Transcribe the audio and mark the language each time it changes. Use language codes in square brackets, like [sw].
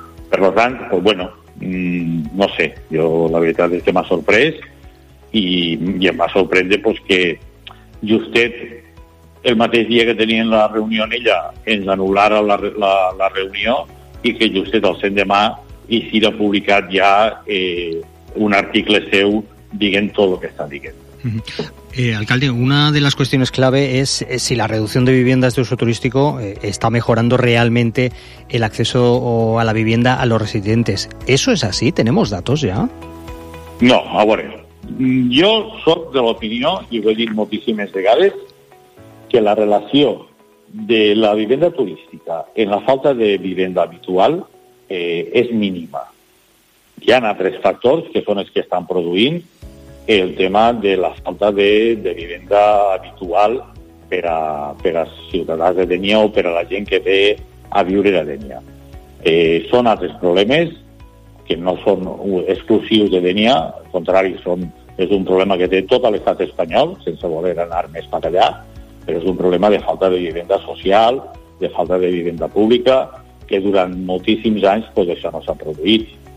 [ca] Per lo tant, pues bueno, no sé, jo la veritat és que m'ha sorprès i em va sorprendre pues, que justet el mateix dia que tenien la reunió en ella ens anul·lara la reunió i que justet el l'endemà i si l'ha publicat ja un article seu diguent tot el que està diguent. [es] Alcalde, una de las cuestiones clave es si la reducción de viviendas de uso turístico está mejorando realmente el acceso a la vivienda a los residentes. ¿Eso es así? ¿Tenemos datos ya? No, a ver, yo soy de la opinión, y voy a decir muchísimas veces, que la relación de la vivienda turística en la falta de vivienda habitual es mínima. Ya hay tres factores que son los que están produciendo el tema de la falta de vivienda habitual [ca] per a ciutadans de Denia o per a la gent que ve a viure a Denia. Són altres problemes que no són exclusius de Denia, al contrari, és un problema que té tot l'estat espanyol, sense voler anar més per allà, però és un problema de falta de [es] vivienda social, [ca] de falta de [es] vivienda pública, [ca] que durant moltíssims anys pues, això no s'ha produït